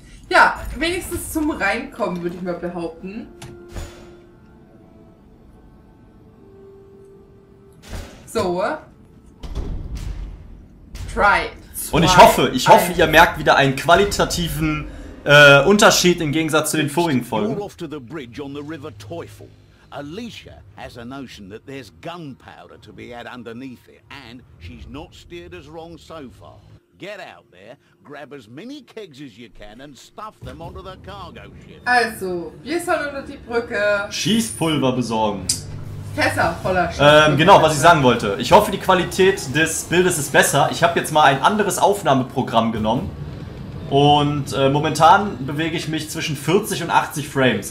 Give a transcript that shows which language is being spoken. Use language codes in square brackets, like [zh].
[de] Ja, wenigstens zum Reinkommen, würde ich mal behaupten. So. [en] Try. [de] Und ich hoffe, ihr merkt wieder einen qualitativen Unterschied im Gegensatz zu den vorigen Folgen. [en] You're off to the bridge on the River Teufel. Alicia has a notion that there's gunpowder to be had underneath it, and she's not steered us wrong so far. Get out there, grab as many kegs as you can and stuff them onto the cargo ship. [de] Also, wir sollen unter die Brücke Schießpulver besorgen. Fässer voller Schießpulver. Genau, was ich sagen wollte. Ich hoffe, die Qualität des Bildes ist besser. Ich habe jetzt mal ein anderes Aufnahmeprogramm genommen. Und momentan bewege ich mich zwischen 40 und 80 Frames.